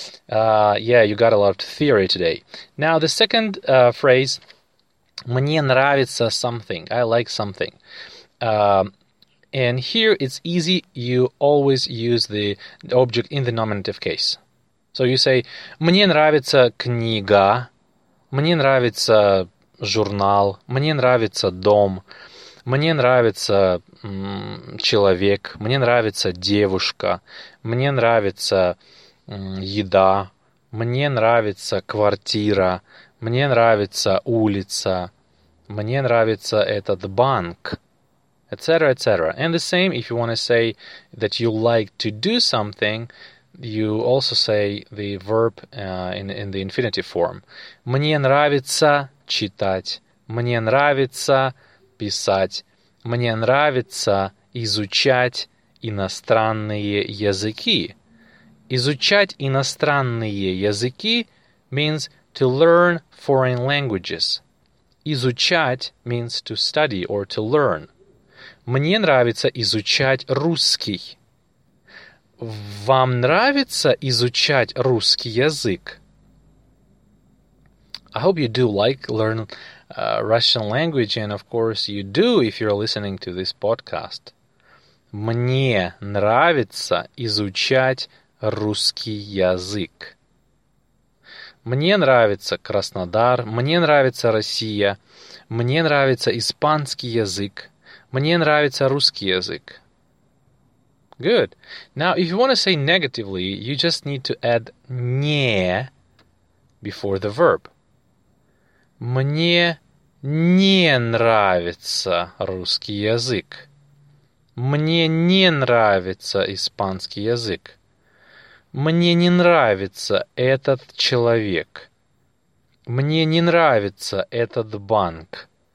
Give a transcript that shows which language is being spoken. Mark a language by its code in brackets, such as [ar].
[en] You got a lot of theory today. Now, the second phrase, [ru] мне нравится [en] something, I like something. And here it's easy, you always use the object in the nominative case. So you say, [ru] мне нравится книга. Мне нравится журнал, мне нравится дом, мне нравится человек, мне нравится девушка, мне нравится еда, мне нравится квартира, мне нравится улица, мне нравится этот банк, etc., etc. [en] And the same, if you want to say that you like to do something, you also say the verb in the infinitive form. [ru] Мне нравится читать. Мне нравится писать. Мне нравится изучать иностранные языки. Изучать иностранные языки [en] means to learn foreign languages. Изучать means to study or to learn. [ru] Мне нравится изучать русский. Вам нравится изучать русский язык? [en] I hope you do like learn Russian language, and of course you do if you're listening to this podcast. [ru] Мне нравится изучать русский язык. Мне нравится Краснодар, мне нравится Россия, мне нравится испанский язык, мне нравится русский язык. [en] Good. Now, if you want to say negatively, you just need to add не before the verb. [ru] Мне не нравится русский язык. Мне не нравится испанский язык. Мне не нравится этот человек. Мне не нравится этот банк.